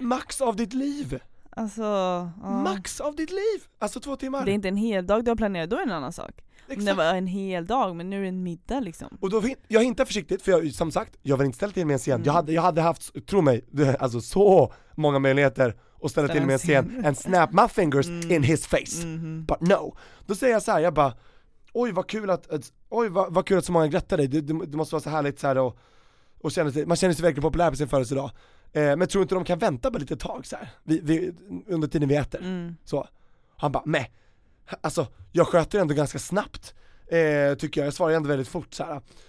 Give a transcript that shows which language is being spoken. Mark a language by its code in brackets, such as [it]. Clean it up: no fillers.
[sv] Max av ditt liv. Max av ditt liv. Alltså 2 timmar. Det är inte en hel dag du har planerat, då är det en annan sak. Det var en hel dag, men nu är det en middag liksom. Och då, jag är inte försiktigt, för jag, som sagt, jag var inte ställt in med en scen. Jag hade haft, tro mig, alltså så många möjligheter att ställa till med en scen. [en] And snap my fingers in his face. But no. [sv] Då säger jag så här, jag bara, oj vad kul att så många grattar dig. Det måste vara så härligt så här, och man känner sig verkligen populär på sin födelsedag. Men tror inte de kan vänta bara lite tag så här, under tiden vi äter. Så han bara, meh. Alltså jag sköter ändå ganska snabbt, tycker jag. Jag svarar ändå väldigt fort så här.